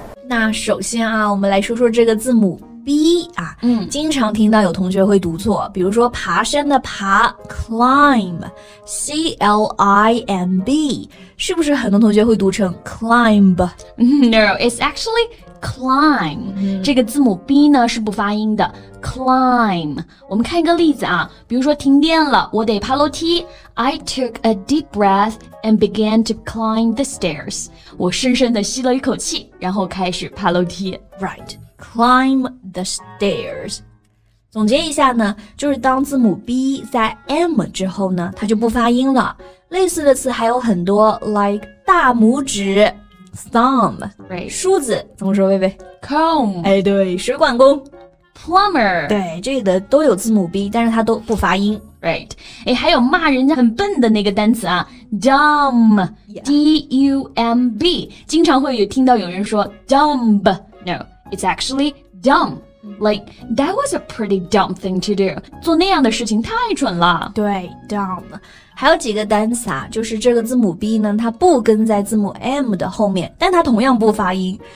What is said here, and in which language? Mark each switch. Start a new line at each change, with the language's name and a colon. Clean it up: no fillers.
Chinese: 那首先啊，我们来说说这个字母B 啊，经常听到有同学会读错，比如说爬山的爬 climb C-L-I-M-B， 是不是很多同学会读成 climb？
English: No, it's actually climb。
Chinese: 这个字母 B 呢是不发音的 climb。我们看一个例子啊，比如说停电了我得爬楼梯，
English: I took a deep breath and began to climb the stairs。
Chinese: 我深深地吸了一口气然后开始爬楼梯。
English: Right. Climb the stairs.
Chinese: 总结一下呢，就是当字母 B 在 M 之后呢，它就不发音了。类似的词还有很多 ，like 大拇指 ，thumb，
English: right，
Chinese: 梳子怎么说？贝贝
English: ，comb，
Chinese: 哎，对，水管工
English: ，plumber，
Chinese: 对，这里的都有字母 B， 但是它都不发音，right， 哎，还有骂人家很笨的那个单词啊 ，dumb，、D-U-M-B， 经常会有听到有人说 dumb， no。
English: It's actually dumb. Like, that was a pretty dumb thing to do.
Chinese: 做那样的事情太蠢了。对 ,dumb. 还有几个单词啊，就是这个字母 B 呢它不跟在字母 M 的后面，但它同样不发音。